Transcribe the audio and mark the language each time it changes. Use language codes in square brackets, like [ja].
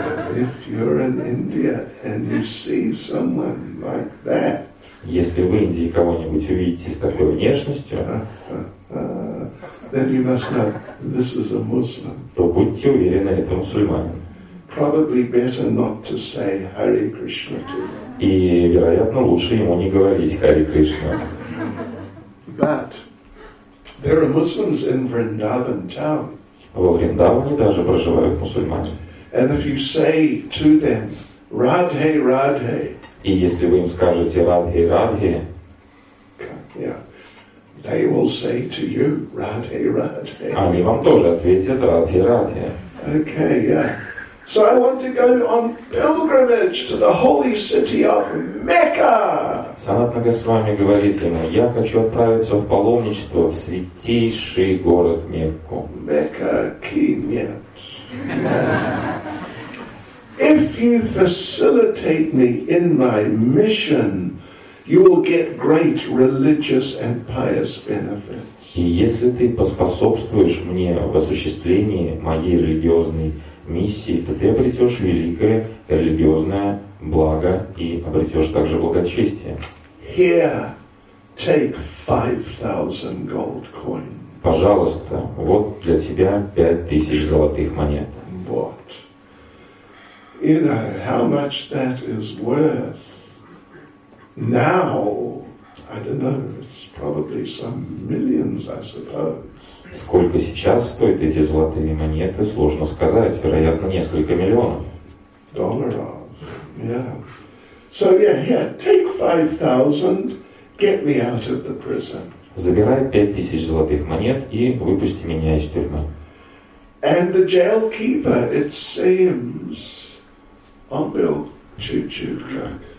[en] If you're in India and you see someone like that. [ru] Если в Индии кого-нибудь увидите с такой внешностью, [en] then you must know this is a Muslim. [ru] То будьте уверены, это мусульманин. [en] Probably better not to say Hare Krishna to. [ru] И, вероятно, лучше ему не говорить Хари Кришна. [en] But there are Muslims in Vrindavan town. [ru] Во Вриндаване даже проживают мусульмане. [en] And if you say to them, Radhe, Radhe. [ru] И если вы им скажете Радхе, Радхе. [en] Yeah. They will say to you, Радхе, Радхе. [ru] Они вам тоже ответят Радхе, Радхе. [en] Okay, yeah. So I want to go on pilgrimage to the holy city of Mecca. [ru] Санатан Госвами говорит ему, я хочу отправиться в паломничество в святейший город Мекку. Мекка, ки нет. [en] If you facilitate me in my mission, you will get great religious and pious benefits. [ru] И если ты поспособствуешь мне в осуществлении моей религиозной миссии, то ты обретешь великое религиозное благо и обретешь также благочестие. [en] Here, take 5,000 gold coins. [ru] Пожалуйста, вот для тебя 5,000 золотых монет. [en] What? You know how much that is worth? Now, I don't know, it's probably some millions, I suppose. [ru] Сколько сейчас стоят эти золотые монеты, сложно сказать, вероятно, несколько миллионов. Долларов, yeah. [en] So, yeah, take 5,000, get me out of the prison. [ru] Забирай 5,000 золотых монет и выпусти меня из тюрьмы. [en] And the jailkeeper, it seems, on Bill Chuchukak.